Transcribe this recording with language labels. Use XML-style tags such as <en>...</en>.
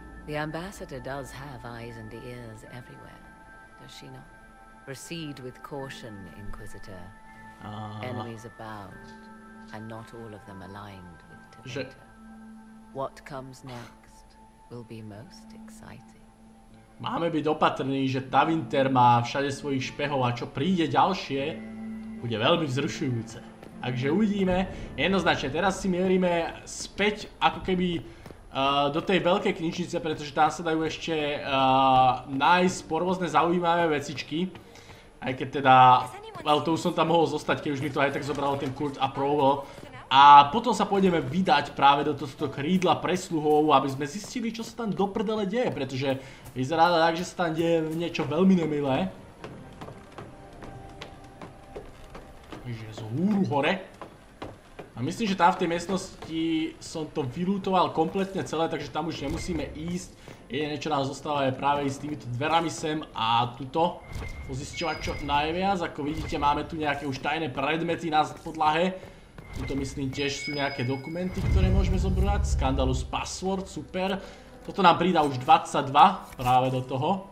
<en>The ambassador does have eyes and ears everywhere, does she not? Proceed with caution, Inquisitor. Enemies abound, and not all of them aligned with Tevita. What comes next will be most exciting.</en> <sk>Máme byť opatrní, že Tavinter má všade svojich špehov a čo príde ďalšie, bude veľmi vzrušujúce. Takže uvidíme. Jednoznačne, teraz si mierime späť ako keby do tej veľkej knižnice, pretože tam sa dajú ešte nájsť porôzne zaujímavé vecičky. Aj keď teda, ale to už som tam mohol zostať, keď už mi to aj tak zobralo ten Kurt Approval. A potom sa pôjdeme vydať práve do tohto krídla presluhov, aby sme zistili, čo sa tam do prdele deje, pretože vyzerá tak, že sa tam deje niečo veľmi nemilé. Takže z húru hore. A myslím, že tam v tej miestnosti som to vylútoval kompletne celé, takže tam už nemusíme ísť. Jedine, čo nám zostáva, je práve s týmito dverami sem a tuto pozisťovať čo najviac. Ako vidíte, máme tu nejaké už tajné predmety na podlahe. Tuto myslím, tiež sú nejaké dokumenty, ktoré môžeme zobrať.</sk> <en>Scandalous password, super.</en> <sk>Toto nám pridá už 22 práve do toho.</sk>